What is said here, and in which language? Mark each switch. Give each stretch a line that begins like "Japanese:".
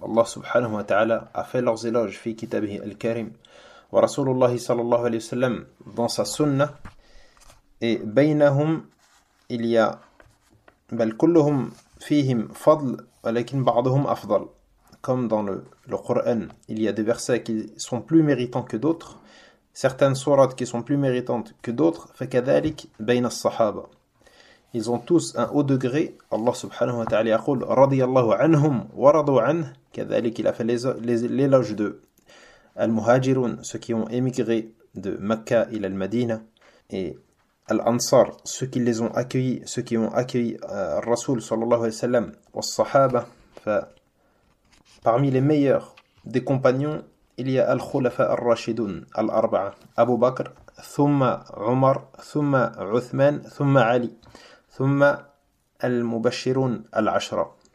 French: Allah subhanahu wa ta'ala a fait leurs éloges
Arabic: fi kitabihi al-karim,
French: wa rasulullah sallallahu alayhi wa sallam dans sa sunna, et baynahum il y a
Arabic: bal kulluhum fihim fadl, walakin ba'duhum afdal.
French: Comme dans le Qur'an, il y a des versets qui sont plus méritants que d'autres, certaines sourates qui sont plus méritantes que d'autres.
Arabic: فَكَذَلِكْ بَيْنَ الصَّحَابَ.
French: Ils ont tous un haut degré.
Arabic: Allah subhanahu wa ta'ala يقول رضي الله عنهم ورضوا عنه.
French: كذلك il a fait l'éloge de Al-Muhajirun, ceux qui ont émigré de Mecca il al-Madina. Et Al-Ansar, ceux qui les ont accueillis, ceux qui ont accueilli Rasul sallallahu alayhi wa sallam wa sahaba. Parmi les meilleurs des compagnons, il y a Al-Khulafa Ar-Rashidun, Al-Arba'a, Abu Bakr, Thumma Umar, Thumma Uthman, Thumma Ali, Thumma Al-Mubashirun Al-Ashra.